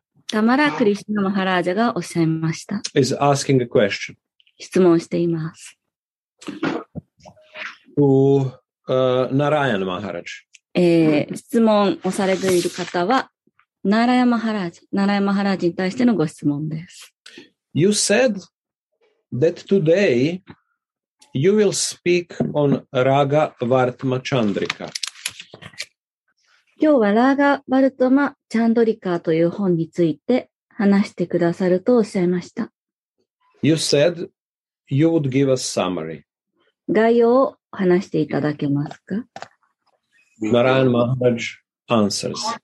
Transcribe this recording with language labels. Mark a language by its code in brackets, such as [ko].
[ja] タマラ・クリシナ・マハラジャがおっしゃいました。 [en] is asking a question. [ja] 質問しています。ナラヤン・マハラジ、質問をされている方はナラヤマハラージ、ナラヤマハラージに対してのご質問です。 [en] You said that today you will speak on Raga Vartma Chandrika. [ja] 今日はラガ・バルトマ・チャンドリカという本について話してくださるとおっしゃいました。 [en] You said you would give a summary. [ja] 概要を話していただけますか？ [en] ナラヤマハラージ answers.